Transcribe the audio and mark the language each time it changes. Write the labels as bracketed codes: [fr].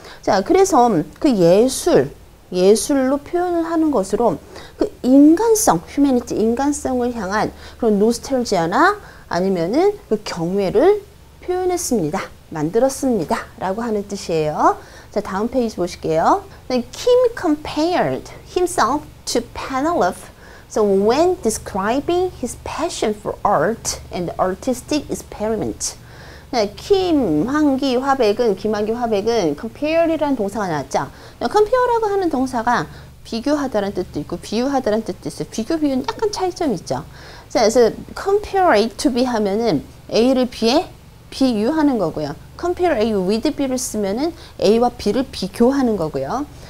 [ko] 자, 그래서 그 예술로 표현을 하는 것으로 그 인간성, humanity, 인간성을 향한 그런 노스텔지아나 아니면은 그 경외를 표현했습니다. 만들었습니다. 라고 하는 뜻이에요. 자, 다음 페이지 보실게요. [en] Kim compared himself to Panoff. So when describing his passion for art and artistic experiment. [ko] 김환기 화백은 compare이라는 동사가 나왔죠. compare라고 하는 동사가 비교하다라는 뜻도 있고 비유하다라는 뜻도 있어요. 비교, 비유는 약간 차이점이 있죠. 자, 그래서 [en] compare A to B [ko] 하면은 A를 B에 비유하는 거고요. [en] compare A with B [ko] 를 쓰면은 A와 B를 비교하는 거고요.